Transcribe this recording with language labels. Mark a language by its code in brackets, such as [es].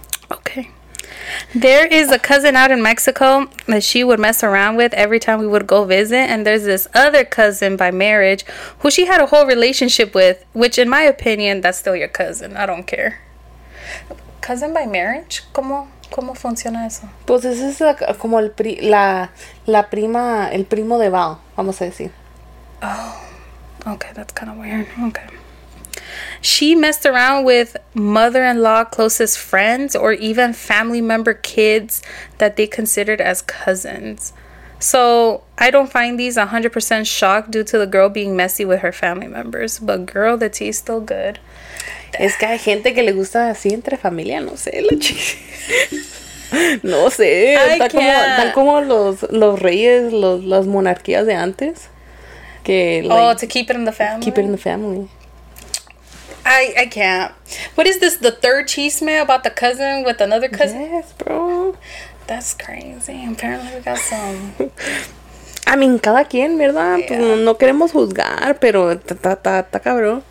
[en] Okay. There is a cousin out in Mexico that she would mess around with every time we would go visit. And there's this other cousin by marriage who she had a whole relationship with, which in my opinion, that's still your cousin. I don't care. Cousin by marriage? [es] ¿Cómo funciona eso? Pues eso es como el primo de Val, vamos a decir. [en] Oh, okay. That's kind of weird. Okay. She messed around with mother-in-law closest friends or even family member kids that they considered as cousins. So I don't find these 100% shocked due to the girl being messy with her family members. But girl, the tea is still good. [es] Es que hay gente que le gusta así entre familia, no sé, la chica. No sé, tal como los reyes, las monarquías de antes. Que, [en] like, oh, to keep it in the family? Keep it in the family. I can't. What is this, the third chisme about the cousin with another cousin? Yes, bro. That's crazy. Apparently we got some. I mean, [es] cada quien, ¿verdad? [en] Yeah. [es] No queremos juzgar, pero está cabrón.